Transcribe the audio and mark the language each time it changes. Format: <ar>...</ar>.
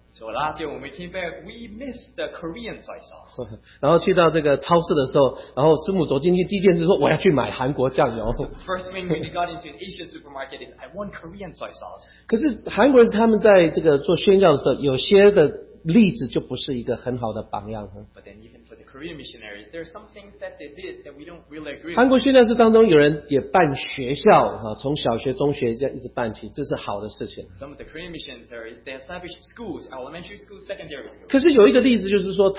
<en>So last year when we came back, we missed the Korean soy sauce.</en> <zh>然后去到这个超市的时候，然后师母走进去第一件事说我要去买韩国酱油。</zh> <en>So first thing when we got into an Asian supermarket is I want Korean soy sauce.</en> <zh>可是韩国人他们在这个做宣教的时候，有些的例子就不是一个很好的榜样。</zh> <en>But then even for the Korean missionaries, there are some things that they did that we don't really agree.</en> <zh>韩国宣教士当中有人也办学校，从小学、中学这样一直办起，这是好的事情。</zh> <en>Some of the Korean missionaries they established schools, elementary schools, secondary schools.</en>